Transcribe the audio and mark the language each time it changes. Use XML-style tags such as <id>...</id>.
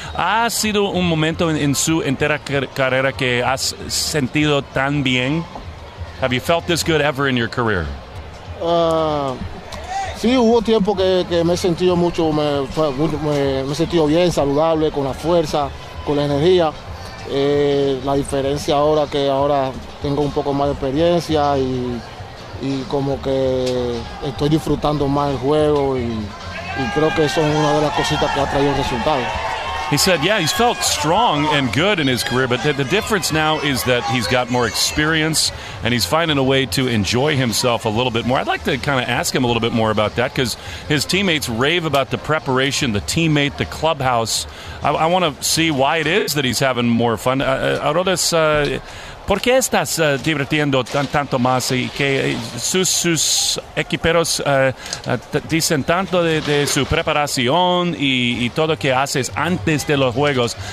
<es>¿Ha sido un momento en su entera carrera que has sentido tan bien?</es> <en>Have you felt this good ever in your career?</en> <es>Sí, hubo tiempo que me he sentido mucho, me he sentido bien, saludable, con la fuerza, con la energía. La diferencia ahora que ahora tengo un poco más de experiencia y como que estoy disfrutando más el juego y creo que eso es una de las cositas que ha traído el resultado.</es> <en>He said, yeah, he's felt strong and good in his career, but the difference now is that he's got more experience and he's finding a way to enjoy himself a little bit more. I'd like to kind of ask him a little bit more about that because his teammates rave about the preparation, the teammate, the clubhouse. I want to see why it is that he's having more fun.</en> <es>Aroldis, ¿por qué estás divirtiendo tanto más y que sus equiperos dicen tanto de su preparación y todo que haces antes de los juegos?</es>